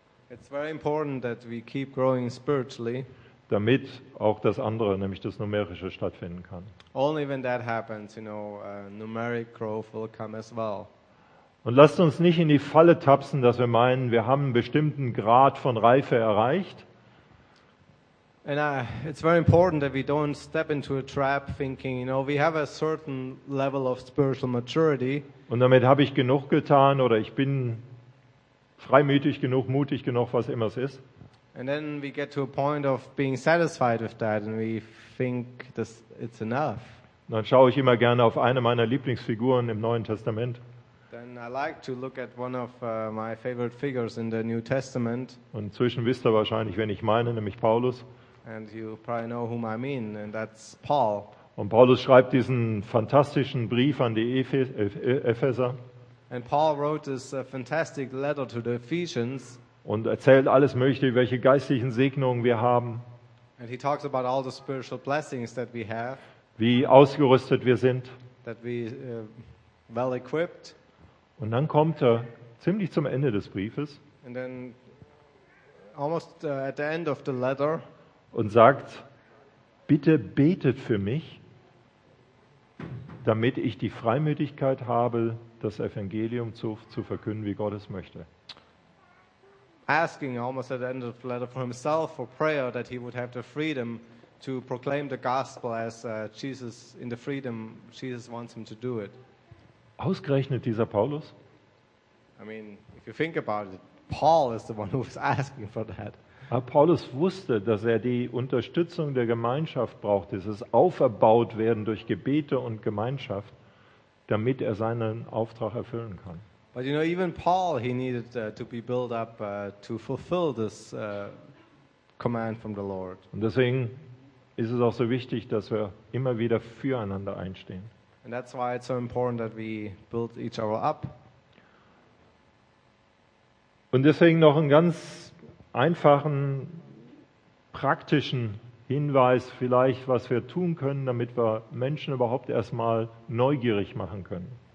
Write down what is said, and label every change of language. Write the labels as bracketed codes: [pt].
[en] It's very important that we keep growing spiritually. [de] Damit auch das andere, nämlich das Numerische, stattfinden kann. [en] Only when that happens, you know, numeric growth will come as well. [de] Und lasst uns nicht in die Falle tapsen, dass wir meinen, wir haben einen bestimmten Grad von Reife erreicht. [en] And it's very important that we don't step into a trap thinking, you know, we have a certain level of spiritual maturity. [de] Und damit habe ich genug getan oder ich bin freimütig genug, mutig genug, was immer es ist. [en] And then we get to a point of being satisfied with that and we think that it's enough. [de] Dann schaue ich immer gerne auf eine meiner Lieblingsfiguren im Neuen Testament. [en] Then I like to look at one of my favorite figures in the New Testament. [de] Und inzwischen wisst ihr wahrscheinlich, wen ich meine, nämlich Paulus. [en] And you probably know whom I mean, and that's Paul. [de] Und Paulus schreibt diesen fantastischen Brief an die Epheser. [en] And Paul wrote this fantastic letter to the Ephesians. [de] Und erzählt alles Mögliche, welche geistlichen Segnungen wir haben. [en] And he talks about all the spiritual blessings that we have. [de] Wie ausgerüstet wir sind. [en] That we well equipped. [de] Und dann kommt er ziemlich zum Ende des Briefes. [en] And then almost at the end of the letter. [de] Und sagt, bitte betet für mich, damit ich die Freimütigkeit habe, das Evangelium zu verkünden, wie Gott es möchte. [en] Asking almost at the end of the letter for himself for prayer that he would have the freedom to proclaim the gospel as Jesus, in the freedom Jesus wants him to do it. [de] Ausgerechnet dieser Paulus? [en] I mean, if you think about it, Paul is the one who is asking for that. [de] Paulus wusste, dass er die Unterstützung der Gemeinschaft braucht, dieses Auferbautwerden durch Gebete und Gemeinschaft, damit er seinen Auftrag erfüllen kann. [en] But you know, even Paul, he needed to be built up to fulfill this command from the Lord. [de] Und deswegen ist es auch so wichtig, dass wir immer wieder füreinander einstehen. [en] And that's why it's so important that we build each other up. [de] Und deswegen noch einen ganz einfachen, praktischen Hinweis, vielleicht, was wir tun können, damit wir Menschen überhaupt erstmal neugierig machen können.